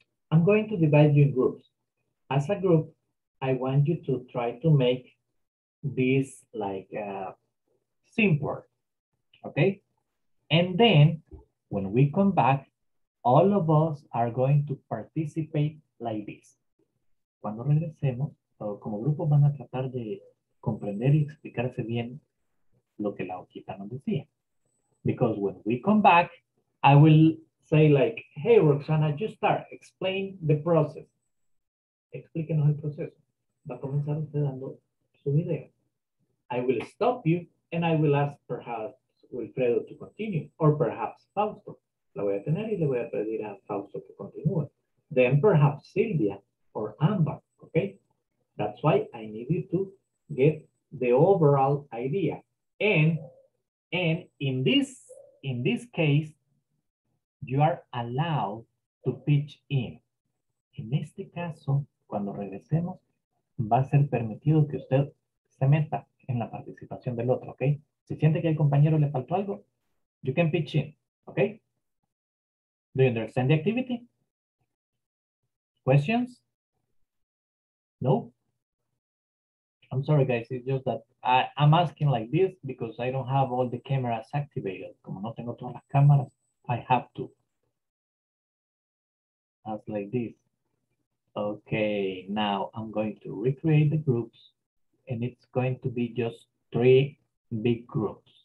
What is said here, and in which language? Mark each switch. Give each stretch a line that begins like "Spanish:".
English: I'm going to divide you in groups. As a group, I want you to try to make this like simpler, okay? And then when we come back, all of us are going to participate like this.
Spanish: Cuando regresemos, como grupo van a tratar de comprender y explicarse bien lo que la hojita nos decía.
English: Because when we come back, I will say like, hey, Roxana, just start, explain the process.
Spanish: Explíquenos el proceso. Va a comenzar usted dando su video.
English: I will stop you and I will ask perhaps Wilfredo to continue or perhaps Fausto.
Spanish: La voy a tener y le voy a pedir a Fausto que continúe.
English: Then perhaps Silvia. Or Amber, okay? That's why I need you to get the overall idea. And in this case, you are allowed to pitch in.
Spanish: En este caso, cuando regresemos, va a ser permitido que usted se meta en la participación del otro, okay? Si siente que al compañero le faltó algo,
English: you can pitch in,
Spanish: okay?
English: Do you understand the activity? Questions? No? I'm sorry, guys. It's just that I'm asking like this because I don't have all the cameras activated.
Spanish: Como no tengo todas las cámaras,
English: I have to. That's like this. Okay, now I'm going to recreate the groups and it's going to be just three big groups.